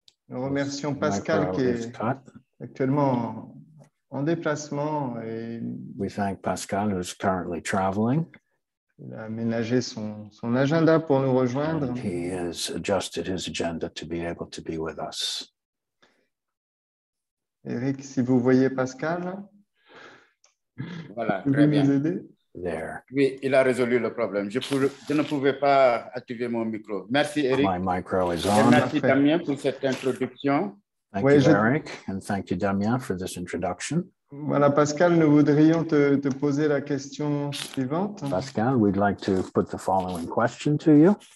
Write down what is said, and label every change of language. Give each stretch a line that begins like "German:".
French: Nous remercions Pascal qui est actuellement en déplacement. Et
English: we thank Pascal who's currently traveling.
French: Il a aménagé son agenda pour nous rejoindre.
English: And he has adjusted his agenda to be able to be with us.
French: Eric, si vous voyez Pascal, voilà, très bien. Vous pouvez nous aider?
English: there.
French: Oui, il a résolu le problème. Je ne pouvais pas activer mon micro. Merci, Eric.
English: My micro is on.
French: Et merci, Damien, pour cette introduction.
English: Thank oui, you, je... Eric, and thank you, Damien, for this introduction.
French: Voilà, Pascal, nous voudrions te poser la question suivante.
English: Pascal, we'd like to put the following question to you.